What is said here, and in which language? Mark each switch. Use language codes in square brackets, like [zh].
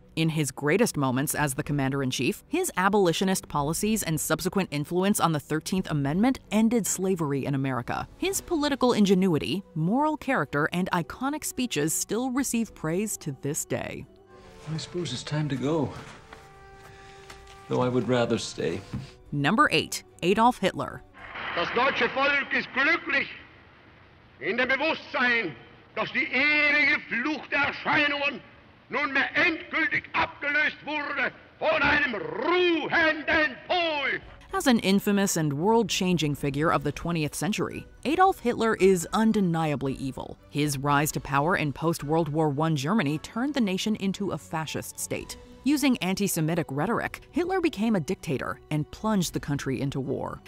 [en] In his greatest moments as the commander-in-chief, his abolitionist policies and subsequent influence on the 13th Amendment ended slavery in America. His political ingenuity, moral character, and iconic speeches still receive praise to this day. I suppose it's time to go, though I would rather stay. Number 8, Adolf Hitler. [de] Das deutsche Volk ist glücklich in dem Bewusstsein, dass die ewige Flucht der Erscheinungen nunmehr endgültig abgelöst wurde von einem ruhenden Pol. [en] As an infamous and world-changing figure of the 20th century, Adolf Hitler is undeniably evil. His rise to power in post-World War I Germany turned the nation into a fascist state. Using anti-Semitic rhetoric, Hitler became a dictator and plunged the country into war.